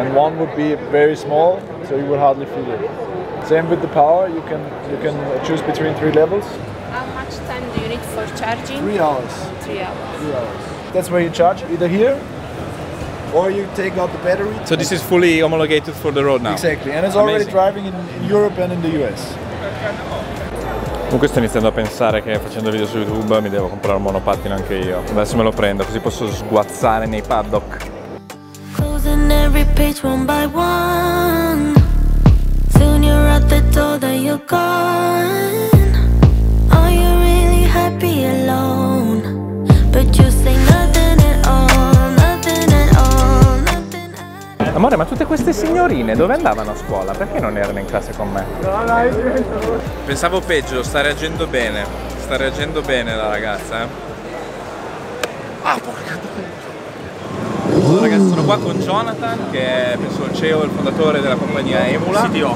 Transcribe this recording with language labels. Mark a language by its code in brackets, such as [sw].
[en] And one would be very small, so you would hardly feel it. Same with the power, you can choose between three levels. How much time do you need for charging? 3 hours. 3 hours. That's where you charge, either here or you take out the battery. So this is fully homologated for the road now? Exactly, and it's already driving in Europe and in the US. [it] Comunque sto iniziando a pensare che facendo video su YouTube mi devo comprare un monopattino anche io. Adesso me lo prendo, così posso sguazzare nei paddock. [en] Closing every page one by one. The door that you're gone. Are you really happy alone? But you say nothing at all, nothing at all, nothing at all. [it] Amore, ma tutte queste signorine dove andavano a scuola? Perché non erano in classe con me? Pensavo peggio, sta reagendo bene la ragazza. Ah, porca. Ragazzi, sono qua con Jonathan, che è penso il CEO, il fondatore della compagnia Emula.